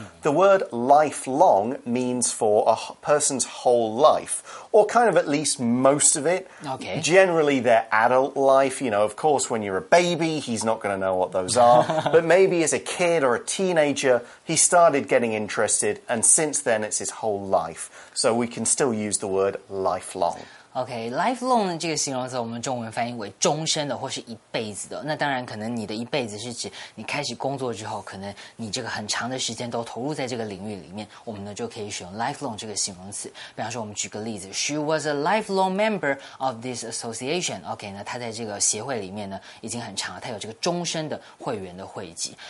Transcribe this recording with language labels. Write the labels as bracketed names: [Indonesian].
[English] The word lifelong means for a person's whole life, or kind of at least most of it. Okay. Generally their adult life, you know, of course when you're a baby, he's not going to know what those are. But maybe as a kid or a teenager, he started getting interested, and since then it's his whole life. So we can still use the word lifelong. [Chinese] OK, lifelong 这个形容词我们中文翻译为终身的或是一辈子的，那当然可能你的一辈子是指你开始工作之后可能你这个很长的时间都投入在这个领域里面，我们呢就可以使用 lifelong 这个形容词。比方说我们举个例子， [English] She was a lifelong member of this association. [Chinese] OK, 那她在这个协会里面呢已经很长了，她有这个终身的会员的会籍。